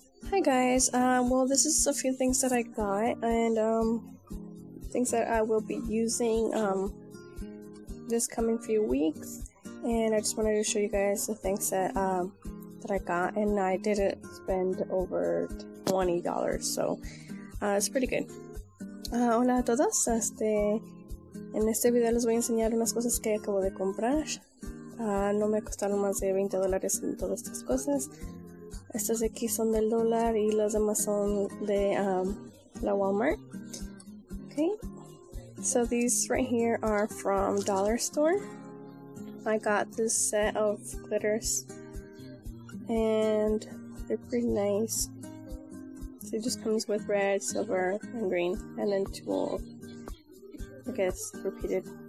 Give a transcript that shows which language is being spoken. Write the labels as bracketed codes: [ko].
[en] Hi guys, well this is a few things that I got and things that I will be using this coming few weeks, and I just wanted to show you guys the things that I got, and I didn't spend over $20, so it's pretty good. [es] Hola a todas, en este video les voy a enseñar unas cosas que acabo de comprar. No me costaron más de $20 en todas estas cosas. Estas de aquí son del dólar y las demás son de la Walmart. [en] Okay, so these right here are from dollar store. I got this set of glitters and they're pretty nice. So it just comes with red, silver, and green, and then two, I guess, repeated.